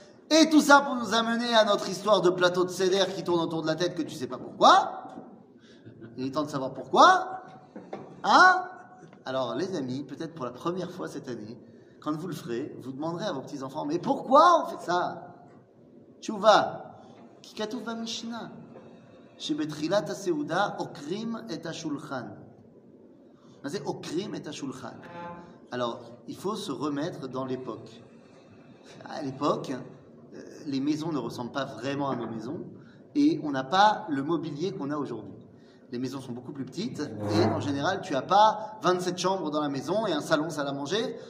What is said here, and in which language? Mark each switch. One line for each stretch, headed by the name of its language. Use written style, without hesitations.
French: Et tout ça pour nous amener à notre histoire de plateau de céder qui tourne autour de la tête que tu sais pas pourquoi. Il est temps de savoir pourquoi. Hein? Alors les amis, peut-être pour la première fois cette année, quand vous le ferez, vous demanderez à vos petits-enfants, mais pourquoi on fait ça?
Hebrew: Tchouva, Kikatouf va Mishnah. שבתחילת הסעודה עוקרים את השולחן. מה זה עוקרים את השולחן?
French: Alors, il faut se remettre dans l'époque. À l'époque, les maisons ne ressemblent pas vraiment à nos maisons et on n'a pas le mobilier qu'on a aujourd'hui. Les maisons sont beaucoup plus petites et en général, tu n'as pas 27 chambres dans la maison et un salon, salle à manger.